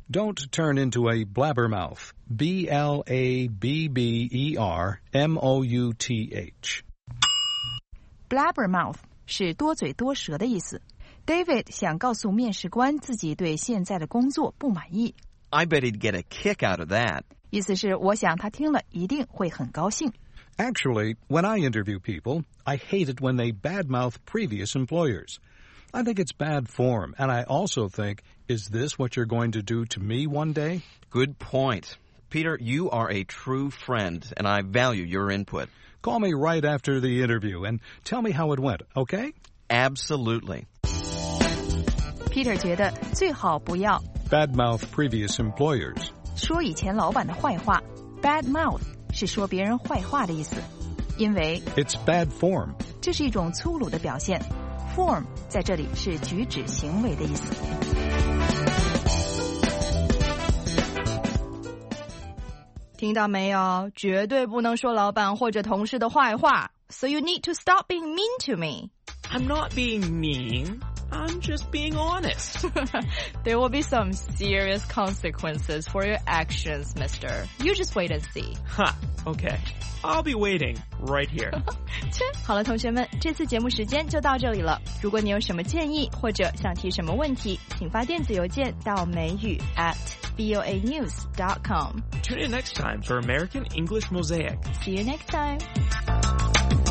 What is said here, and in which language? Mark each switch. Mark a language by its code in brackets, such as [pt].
[en] Don't turn into a blabbermouth. B-L-A-B-B-E-R-M-O-U-T-H. [zh] Blabbermouth. 是多嘴多舌的意思。David 想告诉面试官自己对现在的工作不满意。 [en] I bet he'd get a kick out of that. [zh] 意思是我想他听了一定会很高兴。 [en] Actually, when I interview people, I hate it when they badmouth previous employers. I think it's bad form, and I also think, is this what you're going to do to me one day? Good point. Peter, you are a true friend, and I value your input. Call me right after the interview and tell me how it went, okay? Absolutely. [zh] Peter 觉得最好不要 [en] badmouth previous employers. [zh] 说以前老板的坏话 badmouth 是说别人坏话的意思。因为 [en] it's bad form. [zh] 这是一种粗鲁的表现。Form 在这里是举止行为的意思。听到没有？绝对不能说老板或者同事的坏话。 [en] So you need to stop being mean to me. I'm not being mean. I'm just being honest. There will be some serious consequences for your actions, mister. You just wait and see. Ha, okay. I'll be waiting right here. [zh] 好了，同学们，这次节目时间就到这里了。如果你有什么建议或者想提什么问题，请发电子邮件到mei.yu@voanews.com. [en] Tune in next time for American English Mosaic. See you next time.